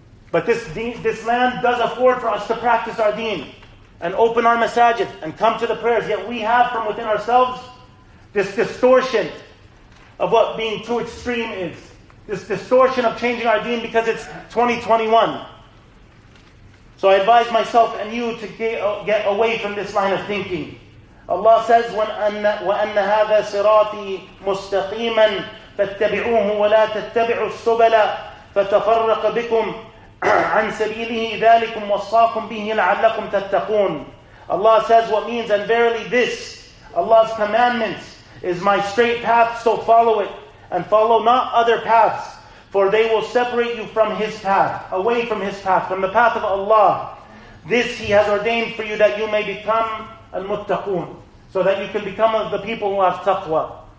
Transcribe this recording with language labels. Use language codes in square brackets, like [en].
[en] But this land does afford for us to practice our deen and open our masajid and come to the prayers. Yet we have from within ourselves this distortion of what being too extreme is. This distortion of changing our deen because it's 2021. So I advise myself and you to get away from this line of thinking. Allah says, [ar] وَأَنَّ هَذَا صِرَاطِي مُسْتَقِيمًا فَاتَّبِعُوهُ وَلَا تَتَّبِعُوا السُّبَلَ فَتَفَرَّقَ بِكُمْ عَنْ سَبِيلِهِ ذَلِكُمْ وَصَّاكُمْ بِهِ لَعَلَّكُمْ تَتَّقُونَ. [en] Allah says what means, and verily this, Allah's commandments, is my straight path, so follow it, and follow not other paths, for they will separate you from His path, away from His path, from the path of Allah. This He has ordained for you that you may become al-muttaqoon, so that you can become of the people who have taqwa.